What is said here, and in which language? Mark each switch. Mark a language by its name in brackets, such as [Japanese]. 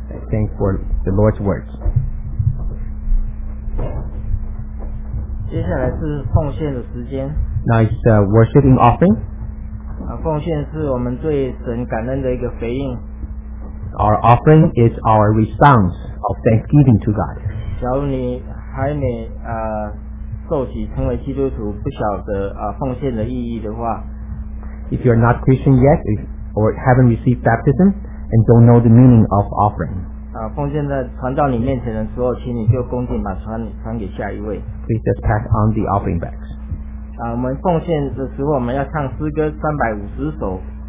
[English] Thank for the Lord's words. [Chinese] 接下来是奉献的时间。 [English] Now it's worship and offering. [Chinese] 奉献是我们对神感恩的一个回应。 [English] Our offering is our response of thanksgiving to God. [Chinese] 假如你还没受洗成为基督徒，不晓得奉献的意义的话 [English] ，If you are not Christian yet or haven't received baptism and don't know the meaning of offering. [Chinese] 奉献在传到你面前的时候，请你就恭敬把传给下一位。 [English] Please just pass on the offering bags. [Chinese] 我们奉献的时候，我们要唱诗歌350首。